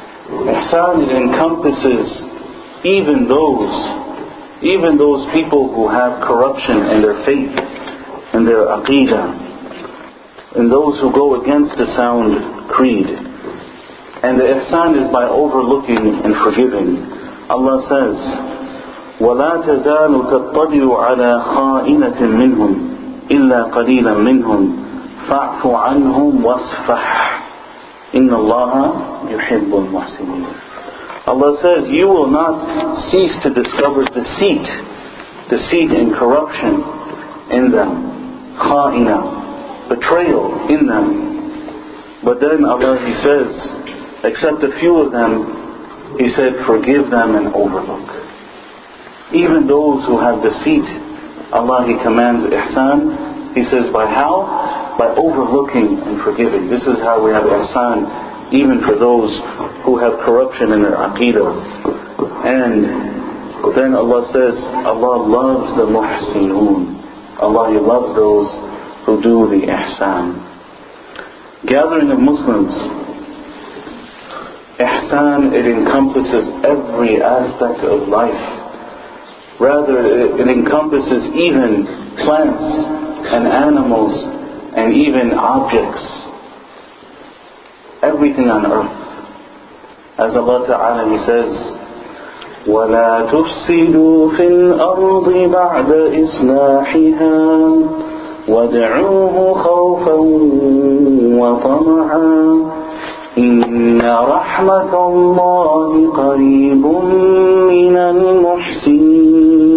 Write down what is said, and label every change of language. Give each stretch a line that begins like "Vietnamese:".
English: Ihsan, it encompasses even those people who have corruption in their faith, in their aqidah, and those who go against the sound creed. And the ihsan is by overlooking and forgiving. Allah says,
Arabic: وَلَا تَزَالُ تَطَّبِعُ عَلَىٰ خَائِنَةٍ مِّنْهُمْ إِلَّا قَلِيلًا مِّنْهُمْ فَاعْفُ عَنْهُمْ وَاصْفَحْ إِنَّ اللَّهَ يُحِبُّ الْمُحْسِنِينَ.
English: Allah says, you will not cease to discover deceit and corruption in them, خَائِنَةً, betrayal in them. But then Allah, He says, except a few of them, He said, forgive them and overlook. Even those who have deceit, Allah, He commands ihsan. He says, by how? By overlooking and forgiving. This is how we have ihsan, even for those who have corruption in their aqidah. And then Allah says, Allah loves the muhsinun. Allah, He loves those who do the ihsan. Gathering of Muslims, ihsan, it encompasses every aspect of life. Rather, it encompasses even plants and animals and even objects. Everything on earth. As Allah Ta'ala, He says,
Arabic: وَلَا تُفْسِدُوا فِي الْأَرْضِ بَعْدَ إِصْلَاحِهَا وَادْعُوهُ خَوْفًا وَطَمَعًا إِنَّ رَحْمَةَ اللَّهِ قَرِيبٌ مِّنَ الْمُحْسِنِينَ.